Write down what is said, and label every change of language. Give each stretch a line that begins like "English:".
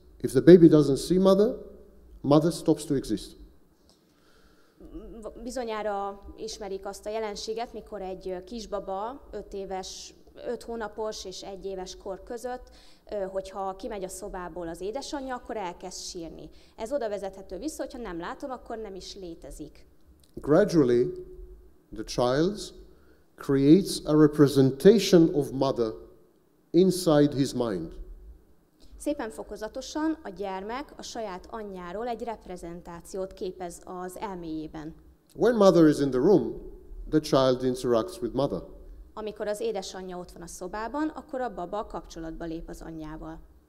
English: If the baby doesn't see mother, mother stops to exist.
Hungarian: Bizonyára ismerik azt a jelenséget, mikor egy kisbaba 5 hónapos és 1 éves kor között, hogyha kimegy a szobából az édesanyja, akkor elkezd sírni. Ez oda vezethető vissza, hogyha nem látom, akkor nem is létezik.
English: Gradually, the child creates a representation of mother inside his mind.
Hungarian: Szépen fokozatosan a gyermek a saját anyjáról egy reprezentációt képez az elméjében.
English: When mother is in the room, the child interacts with mother.
Hungarian: Amikor az édesanyja ott van a szobában, akkor a baba kapcsolatba lép az anyjával.